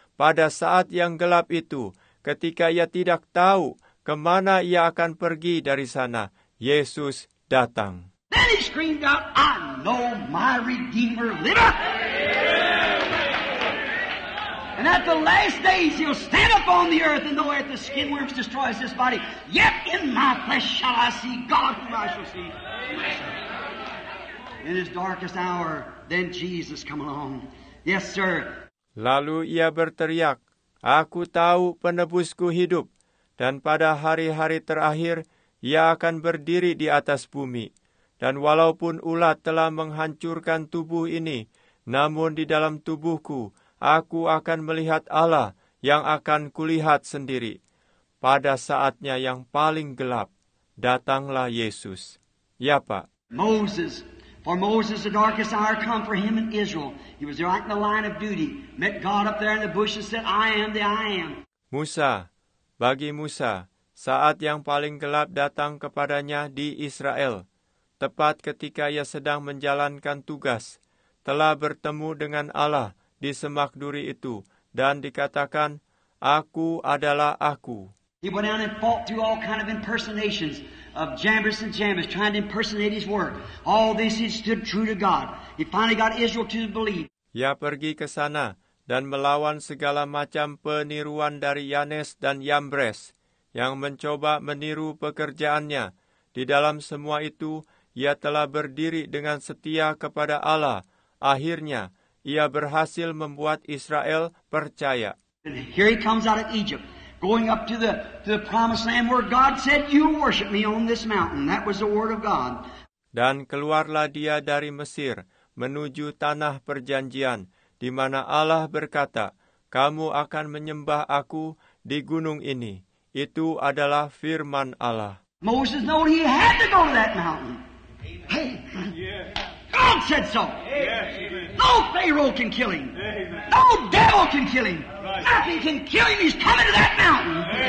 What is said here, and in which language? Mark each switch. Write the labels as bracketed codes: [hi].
[id] Pada saat yang gelap itu, ketika ia tidak tahu kemana ia akan pergi dari sana, Yesus datang. [en] Then he screamed out, I know my Redeemer liveth. And at the last days he'll stand up on the earth and though at the skin worms destroys this body, yet in my flesh shall I see God whom I shall see. In his darkest hour, then Jesus come along. Yes, sir. [id] Lalu ia berteriak, aku tahu penebusku hidup. Dan pada hari-hari terakhir, ia akan berdiri di atas bumi. Dan walaupun ulat telah menghancurkan tubuh ini, namun di dalam tubuhku, aku akan melihat Allah yang akan kulihat sendiri. Pada saatnya yang paling gelap, datanglah Yesus. Ya, Pak. [en] Moses. For Moses, the darkest hour come for him in Israel. He was right in the line of duty. Met God up there in the bush and said, I am the I am. [id] Musa. Bagi Musa, saat yang paling gelap datang kepadanya di Israel. Tepat ketika ia sedang menjalankan tugas, telah bertemu dengan Allah di semak duri itu, dan dikatakan, aku adalah aku. [en] He went down and fought through all kind of impersonations of Jambres and Jambres, trying to impersonate his word. All this he stood true to God. He finally got Israel to believe. [id] Ia pergi ke sana, dan melawan segala macam peniruan dari Yanes dan Jambres, yang mencoba meniru pekerjaannya. Di dalam semua itu, ia telah berdiri dengan setia kepada Allah. Akhirnya, ia berhasil membuat Israel percaya. [en] And here he comes out of Egypt, going up to the promised land where God said, you worship me on this mountain. That was the word of God. [id] Dan keluarlah dia dari Mesir, menuju tanah perjanjian, di mana Allah berkata, kamu akan menyembah aku di gunung ini. Itu adalah firman Allah. [en] Moses knew he had to go to that mountain. Hey, God said so. No Pharaoh can kill him. No devil can kill him. Nothing can kill him. He's coming to that mountain.